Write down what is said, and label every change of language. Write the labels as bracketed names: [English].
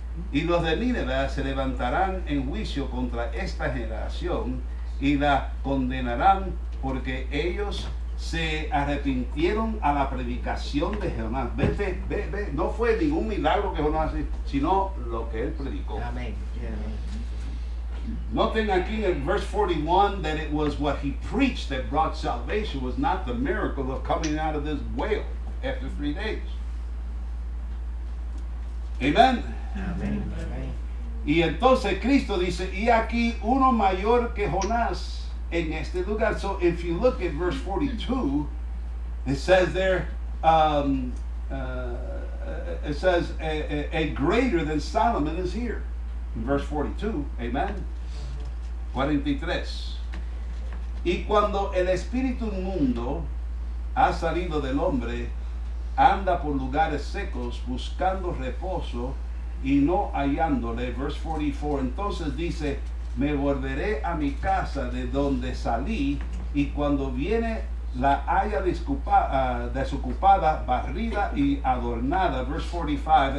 [Spanish] Y los de Nínive se levantarán en juicio contra esta generación y la condenarán porque ellos se arrepintieron a la predicación de Jonás. Vete, ve, ve, no fue ningún milagro que Jonás hizo, sino lo que él predicó. Amén. Noten aquí en [English] verse 41 that it was what he preached that brought salvation, was not the miracle of coming out of this whale after 3 days. [Spanish] Amén. Amén. Y entonces Cristo dice, y aquí uno mayor que Jonás en este lugar. [English] So if you look at verse 42, it says there, it says a greater than Solomon is here. In verse 42, amen. 43. [Spanish] Y cuando el espíritu inmundo ha salido del hombre, anda por lugares secos buscando reposo, y no hallándole. [English] Verse 44. [Spanish] Entonces dice, me volveré a mi casa de donde salí, y cuando viene la haya desocupada, barrida y adornada. [English] Verse 45.